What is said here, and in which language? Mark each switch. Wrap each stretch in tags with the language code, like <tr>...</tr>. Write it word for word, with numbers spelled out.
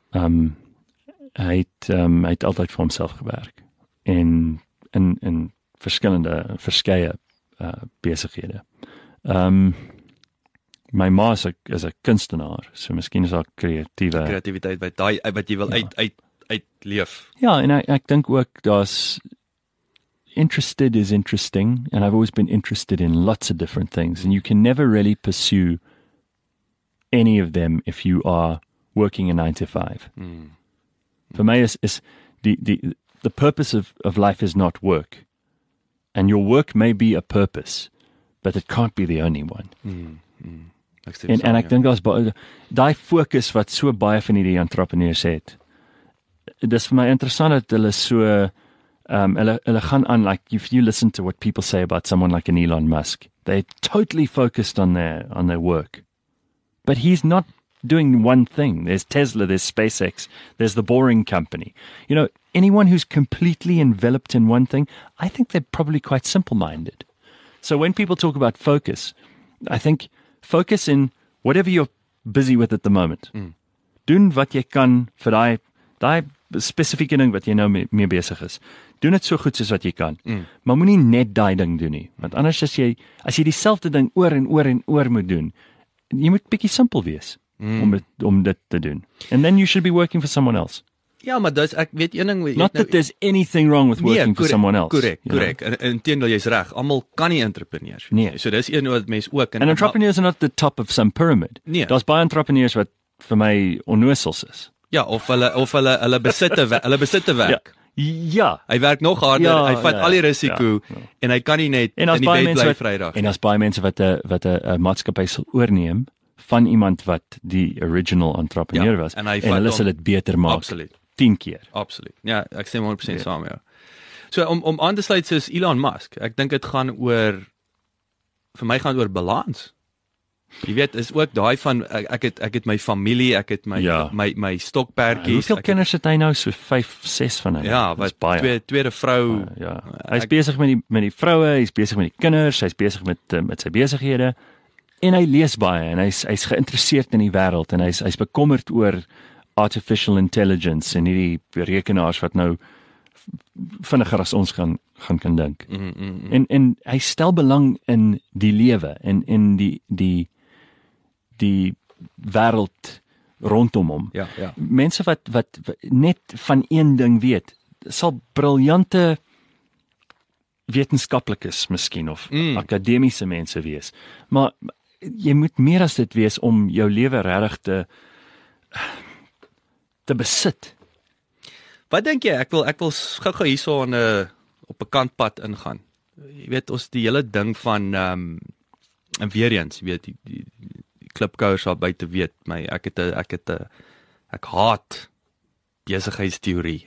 <af>Ehm um, hy het um, hy het altyd vir homself gewerk en in in verskillende verskeie uh, besighede. Ehm um, my ma is 'n is 'n kunstenaar, so miskien is haar kreatiewe kreatiwiteit wat daai wat jy wil ja. uit uit uitleef. Ja, en ek ek dink ook daar's</af> <en>interested is interesting and I've always been interested in lots of different things and you can never really pursue any of them if you are working a nine to five. Mm. For me, is is the the the purpose of, of life is not work, and your work may be a purpose, but it can't be the only one. Mm, mm.</en> <af>Ek en en ek dink daar's baie daai fokus wat so baie van hierdie entrepreneurs het. Dis vir my interessant dat hulle so um hulle hulle gaan aan,</af> <en>like if you listen to what people say about someone like an Elon Musk, they're totally focused on their on their work, but he's not doing one thing. There's Tesla, there's SpaceX, there's the Boring Company. You know, anyone who's completely enveloped in one thing, I think they're probably quite simple-minded. So when people talk about focus, I think focus in whatever you're busy with at the moment. Mm.</en> <af>Doen wat jy kan vir daai daai spesifieke ding wat jy nou mee, mee besig is. Doen dit so goed soos wat jy kan. Mm. Maar moenie net daai ding doen nie, want anders as jy as jy dieselfde ding oor en oor en oor moet doen, jy moet bietjie simpel wees. Mm. Om, dit, om dit te doen.</af> <en>And then you should be working for someone else.</en> <af>Ja, maar dis ek weet een ding</af> <en>weet Not nou, that there's anything wrong with working nee, correct, for someone else. Correct, correct. You know?</en> <af>En, en teendeel jy's reg. Almal kan nie entrepreneurs. Nee. So dis een wat mense ook</af> <en>en And entrepreneurs are not the top of some pyramid.</en> <af>Nee. Daar's baie entrepreneurs wat vir my onnoosels is. Ja, of hulle of hulle hulle besitte hulle besitte werk. Ja. Ja, hy werk nog harder, ja, hy vat ja, al die risiko ja, ja. En hy kan nie net in die bed bly Vrydag. En daar's baie mense wat 'n wat 'n maatskappy sal oorneem van iemand wat die original entrepreneur ja, was, en, en hulle sal dit beter maak, absoluut. tien keer. Absoluut, ja, ek stem</af> <en>one hundred percent yeah.</en> <af>saam, ja. So, om, om aan te sluit soos Elon Musk, ek dink het gaan oor, vir my gaan oor balans. Jy weet, is ook daai van ek, ek het ek het my familie, ek het my ja. my my stokperdjies. Ja, hoeveel kinders het hy nou? So vyf, ses van hulle. Ja, wat twee, tweede vrou. Uh, ja. Hy's besig met die met die vroue, hy's besig met die kinders, hy's besig met met sy besighede en hy lees baie en hy's hy's geïnteresseerd in die wêreld en hy's hy's bekommerd oor artificial intelligence en hierdie rekenaars wat nou vinniger as ons gaan gaan kan dink. Mm, mm, mm. En en hy stel belang in die lewe en en die die die wêreld rondom hom. Ja, ja. Mense wat, wat wat net van een ding weet, sal briljante wetenskaplikes miskien of mm. akademiese mense wees. Maar jy moet meer as dit wees om jou lewe regtig te te besit. Wat dink jy? Ek wil ek wil gou-gou hierso aan 'n op 'n kantpad ingaan. Jy weet ons die hele ding van ehm um, en weer eens, jy weet die, die klipkouers daar buite weet my ek het 'n ek het 'n ek haat besigheidsteorie.</af>